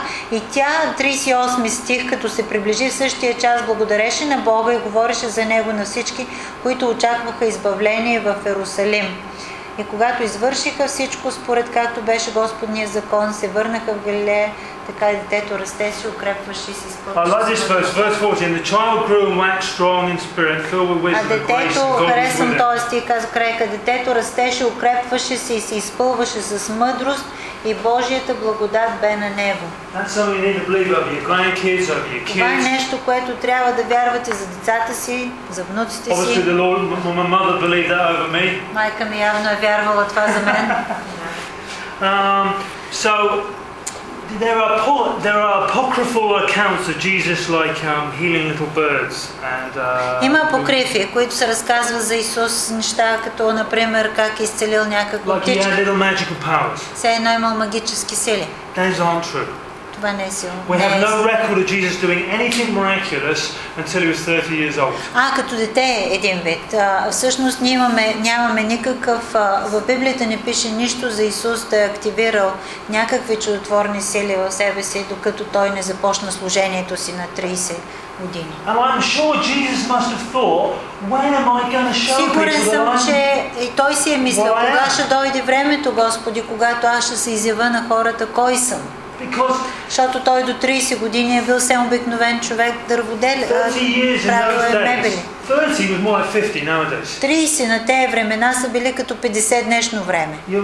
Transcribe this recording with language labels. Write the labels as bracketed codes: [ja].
[bg] И тя, 38 стих, като се приближи в същия час, благодареше на Бога и говореше за Него на всички, които очакваха избавление в Йерусалим. И когато извършиха всичко, според както беше Господния закон, се върнаха в Галилея, така и детето расте си, укрепваше си спорта. [en] I love this verse, verse 14. The child grew and waxed strong in spirit, filled with wisdom and grace, and God was with him. [bg] Този стих казва крайка: детето растеше, укрепваше се и се изпълваше с мъдрост и Божията благодат бе на него. [en] That's something you need to believe over your grandkids, over your kids. [bg] Това е нещо, което трябва да вярвате за децата си, за внуците си. [en] Obviously the Lord, my mother believed that over me. [bg] Майка ми явно е вярвала това за мен. [en] There are apocryphal accounts of Jesus like healing little birds and [bg] има апокрифи, които се разказва за Исус неща като например как изцелил някакво птиче. [en] Like he had little magical powers. [bg] Все едно имал магически сили. [en] That's not true. [bg] Това не е сила. [en] We have no record of Jesus doing anything miraculous until he was 30 years old. [bg] А като дете един вид, всъщност нямаме никакъв, в Библията не пише нищо за Исус да е активирал някакви чудотворни сили в себе си, докато той не започна служението си на 30 години. [en] And I'm sure Jesus must have thought, when am I going to show people? [bg] Сигурен съм, че и той си е мислил, кога ще дойде времето, Господи, когато аз ще се изява на хората, кой съм? Защото той до 30 години е бил съм обикновен човек, дърводелец, правил е мебели. [en] 30 was more like 50 nowadays. [bg] 30 на тези времена са били като 50 днешно време.